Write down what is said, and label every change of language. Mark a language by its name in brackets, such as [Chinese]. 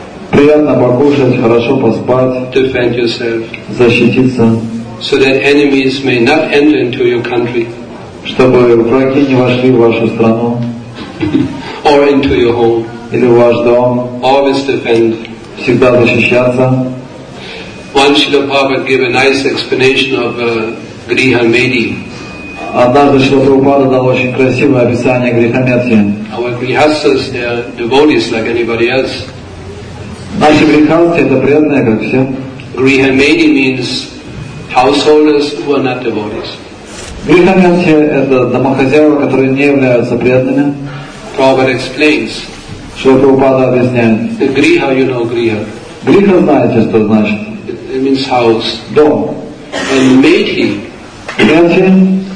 [Russian] Приятно покушать, хорошо поспать. [English] Defend yourself. [Russian] Защититься. [English] So that enemies may not enter into your country. [Russian] Чтобы враги не вошли в вашу страну. [English] Or into your home. [Russian] Или в ваш дом. [English] Always defend. [Russian] Всегда защищаться. [English] Once Srila Prabhupada gave a nice explanation of Griha Medhi. [Russian] Однажды Шрила Прабхупада дал очень красивое описание греха мерти. [English] Our grihasthas, they are devotees like anybody else. [Russian] Наши грехасты это преданные, как все. [English] Griha Medhi means householders who are not devotees. [Russian] Греха мерти это домохозяева, которые не являются преданными. [English] Prabhupada explains. [Russian] Шрила Прабхупада объясняет. [English] The griha, you know griha. [Russian] Griha знаете, что значит? [English] It means house. [Russian] Дом. [English] And Medhi. [Russian] Medhi.